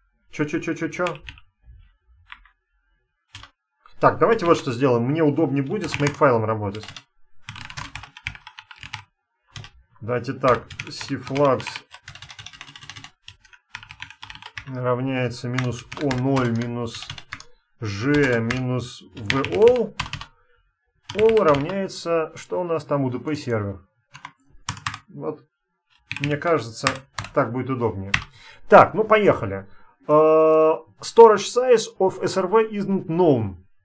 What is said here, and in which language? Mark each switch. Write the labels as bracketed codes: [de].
[ru] Чё-чё-чё-чё-чё? Так, давайте вот что сделаем. Мне удобнее будет с makefile работать. Давайте так. cflux равняется минус o0 минус g минус v all. All равняется, что у нас там, UDP сервер. Вот, мне кажется, так будет удобнее. Так, ну поехали. [en] Storage size of SRV isn't known.